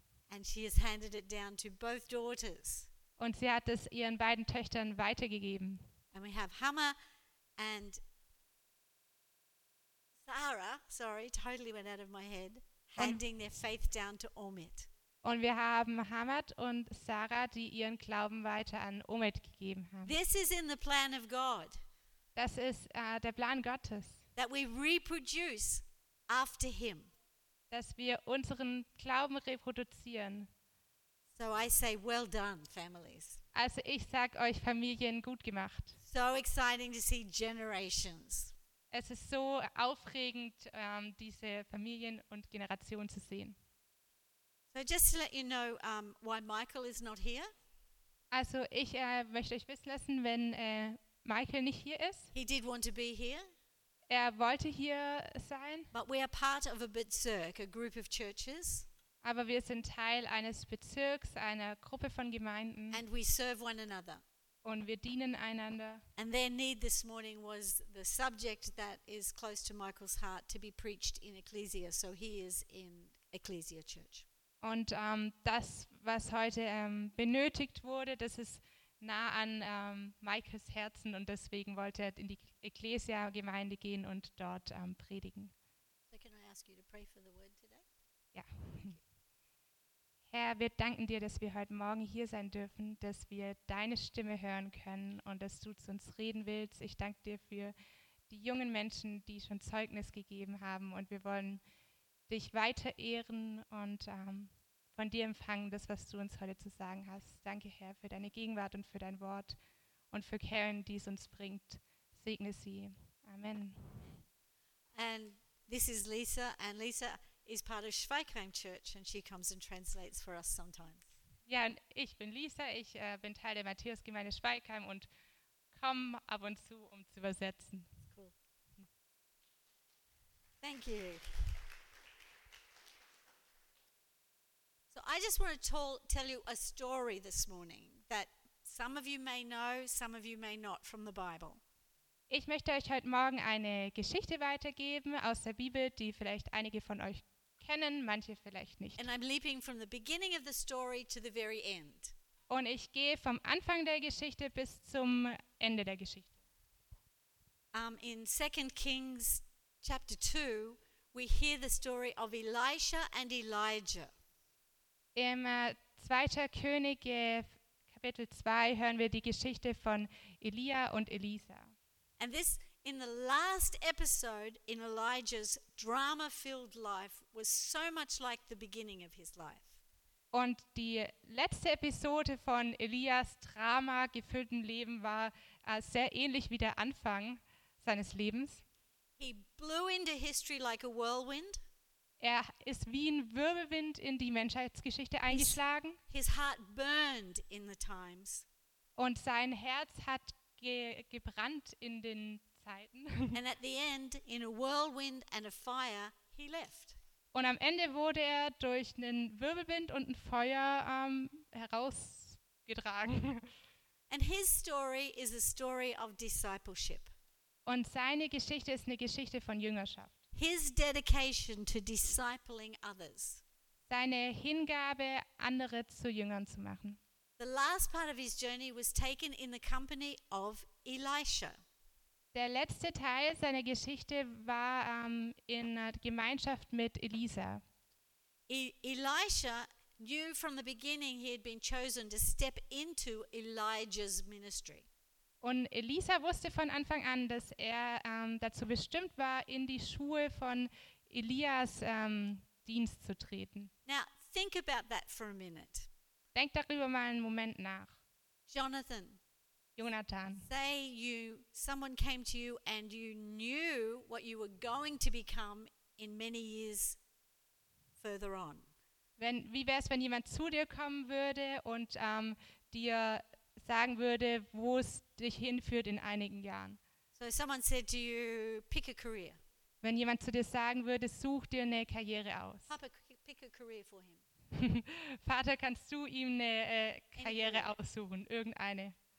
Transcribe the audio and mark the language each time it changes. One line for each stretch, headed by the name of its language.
English: And she has handed it down to both daughters.
German: Und sie hat es ihren beiden Töchtern weitergegeben.
English: And we have Hammer and Sarah, sorry, totally went out of my head, handing their faith down to Omid.
German: Und wir haben Hamad und Sarah, die ihren Glauben weiter an Omid gegeben haben.
English: This is in the plan of God.
German: Das ist der Plan Gottes.
English: That we reproduce after him.
German: Dass wir unseren Glauben reproduzieren.
English: So I say well done, families.
German: Also ich sag euch Familien gut gemacht.
English: So exciting to see generations.
German: Es ist so aufregend diese Familien und Generationen zu sehen.
English: So just to let you know why Michael is not here.
German: Also ich möchte euch wissen lassen, wenn Michael nicht hier ist.
English: He did want to be here.
German: Er wollte hier sein.
English: But we are part of a bezirk, a group of churches.
German: Aber wir sind Teil eines Bezirks, einer Gruppe von Gemeinden.
English: And we serve one another.
German: Und wir dienen einander.
English: And their need this morning was the subject that is close to Michael's heart to be preached in Ecclesia. So he is in Ecclesia Church.
German: Und das, was heute benötigt wurde, das ist nah an Michaels Herzen und deswegen wollte er in die Ecclesia-Gemeinde gehen und dort predigen.
English: So can I ask you to pray for the word today?
German: Ja. Herr, wir danken dir, dass wir heute Morgen hier sein dürfen, dass wir deine Stimme hören können und dass du zu uns reden willst. Ich danke dir für die jungen Menschen, die schon Zeugnis gegeben haben und wir wollen dich weiter ehren und von dir empfangen, das, was du uns heute zu sagen hast. Danke, Herr, für deine Gegenwart und für dein Wort und für Karen, die es uns bringt. Segne sie. Amen.
English: And this is Lisa, and Lisa is part of Schweigheim Church and she comes and translates for us sometimes.
German: Ja, und ich bin Lisa, ich bin Teil der Matthäusgemeinde Schweigheim und komme ab und zu, um zu übersetzen. Cool. Thank you.
English: So I just want to tell you a story this morning that some of you may know, some of you may not from the Bible.
German: Ich möchte euch heute Morgen eine Geschichte weitergeben aus der Bibel, die vielleicht einige von euch kennen, manche vielleicht nicht.
English: And I'm leaping from the beginning of the story to the very end.
German: Und ich gehe vom Anfang der Geschichte bis zum Ende der Geschichte.
English: In 2 Kings chapter 2, we hear the story of Elisha and Elijah.
German: Im 2. Könige Kapitel 2 hören wir die Geschichte von Elia und Elisa.
English: And this in the last episode in Elijah's drama-filled life was so much like the beginning of his life.
German: Und die letzte Episode von Elias drama-gefüllten Leben war sehr ähnlich wie der Anfang seines Lebens.
English: He blew into history like a whirlwind.
German: Er ist wie ein Wirbelwind in die Menschheitsgeschichte eingeschlagen.
English: His heart burned in the times.
German: Und sein Herz hat gebrannt in den Zeiten.
English: And at the end, in a whirlwind and a fire, he left.
German: Und am Ende wurde er durch einen Wirbelwind und ein Feuer herausgetragen.
English: And his story is a story of discipleship.
German: Und seine Geschichte ist eine Geschichte von Jüngerschaft.
English: His dedication to discipling others.
German: Seine Hingabe, andere zu Jüngern zu machen.
English: The last part of his journey was taken in the company of Elisha.
German: Der letzte Teil seiner Geschichte war in Gemeinschaft mit Elisa.
English: Elisha knew from the beginning he had been chosen to step into Elijah's ministry.
German: Und Elisa wusste von Anfang an, dass er dazu bestimmt war, in die Schuhe von Elias Dienst zu treten.
English: Now, think about that for a minute.
German: Denk darüber mal einen Moment nach.
English: Jonathan.
German: Jonathan.
English: Say you, someone came to you and you knew what you were going to become in many years further on.
German: Wenn, wie wäre es, wenn jemand zu dir kommen würde und dir sagen würde, wo es dich hinführt in einigen Jahren.
English: So someone said to you, pick a career.
German: Wenn jemand zu dir sagen würde, such dir eine Karriere aus.
English: Papa, pick a career for him.
German: Vater, kannst du ihm eine Karriere aussuchen, irgendeine?